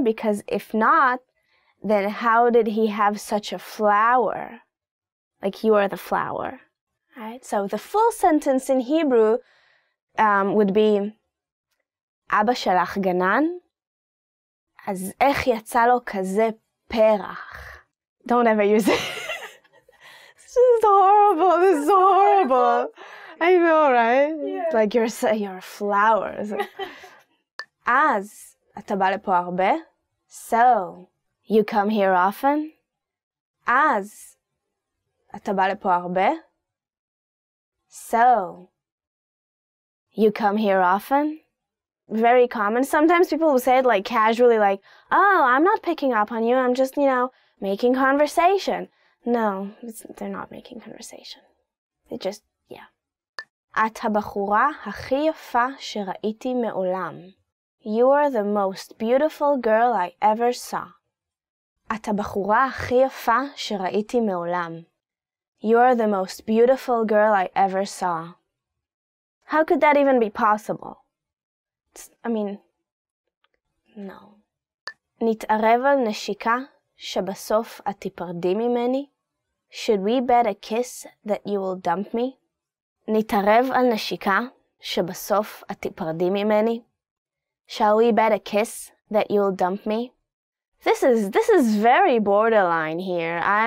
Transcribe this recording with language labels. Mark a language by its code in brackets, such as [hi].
[en] Because if not, then how did he have such a flower? Like, you are the flower, right? So the full sentence in Hebrew would be, [he] אבא שלך גנן, אז איך יצא לו כזה פרח? [en] Don't ever use it. This is horrible. I know, right? Yeah. Like you're flowers. [he] As אתה בא לפה הרבה? [en] So you come here often? [he] As אתה בא לפה הרבה? [en] So you come here often? Very common. Sometimes people will say it like casually, like, oh, I'm not picking up on you, I'm just, you know, making conversation. No, they're not making conversation. They just, yeah. [he] את הבחורה הכי יפה שראיתי מעולם. [en] You are the most beautiful girl I ever saw. [he] את הבחורה הכי יפה שראיתי מעולם. [en] You are the most beautiful girl I ever saw. How could that even be possible? No. [he] נתערב על נשיקה שבסוף את תיפרדי ממני? [en] Should we bet a kiss that you will dump me? [he] נתערב על נשיקה שבסוף את תיפרדי ממני? [en] Shall we bet a kiss that you'll dump me? This is very borderline here.